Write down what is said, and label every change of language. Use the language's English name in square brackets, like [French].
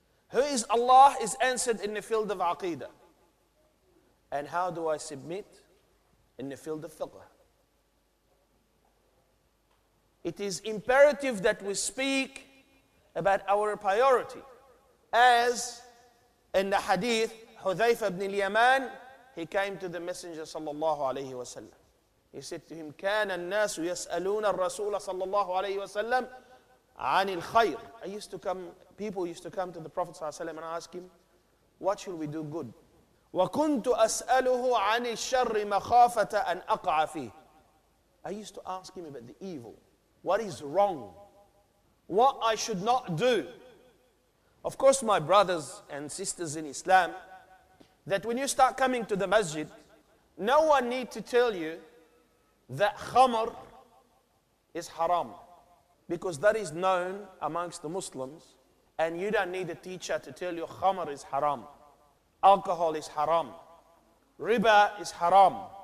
[English] Who is Allah is answered in the field of Aqidah. And how do I submit in the field of Fiqh? It is imperative that we speak about our priority. As in the hadith, Hudhayfa ibn al-Yaman, he came to the Messenger sallallahu alayhi wa sallam. He said to him, [Arabic] كَانَ النَّاسُ يَسْأَلُونَ الرَّسُولَ صَلَّى اللَّهُ عَلَيْهِ وَسَلَّمْ عَنِ الْخَيْرِ. [English] People used to come to the Prophet sallallahu alayhi wa sallam and ask him, what should we do good? [Arabic] وَكُنْتُ أَسْأَلُهُ عَنِ الشَّرِّ مَخَافَةَ أَنْ أَقْعَ فِيهِ. [English] I used to ask him about the evil. What is wrong? What I should not do? Of course, my brothers and sisters in Islam, that when you start coming to the masjid, no one need to tell you that khamr is haram, because that is known amongst the Muslims, and you don't need a teacher to tell you khamr is haram, alcohol is haram, riba is haram.